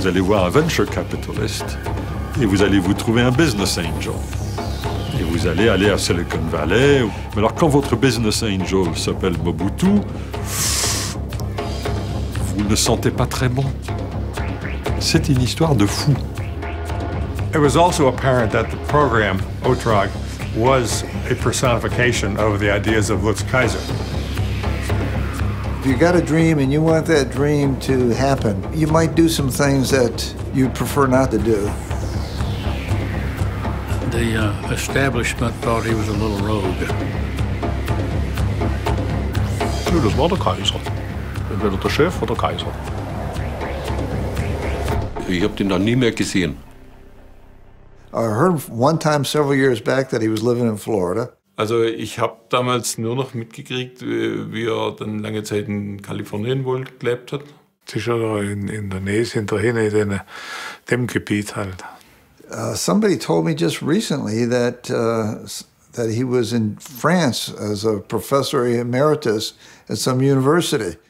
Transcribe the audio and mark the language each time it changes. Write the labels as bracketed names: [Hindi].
[French] Vous allez voir un venture capitalist et vous allez vous trouver un business angel. Et vous allez aller à Silicon Valley. Mais alors quand votre business angel s'appelle Mobutu, vous ne sentez pas très bon. C'est une histoire de fou. [English] It was also apparent that the program, OTROG, was a personification of the ideas of Lutz Kaiser. If you got a dream and you want that dream to happen, you might do some things that you'd prefer not to do. The establishment thought he was a little rogue. [German] Ja, das war der Kaiser. Entweder der Chef oder Kaiser. Ich hab den dann nie mehr gesehen. [English] I heard one time several years back that he was living in Florida. [German] Also, ich habe damals nur noch mitgekriegt, wie er dann lange Zeit in Kalifornien wohl gelebt hat. Sicher in der Nähe, hinterhin in dem Gebiet halt. [English] Somebody told me just recently that that he was in France as a professor emeritus at some university.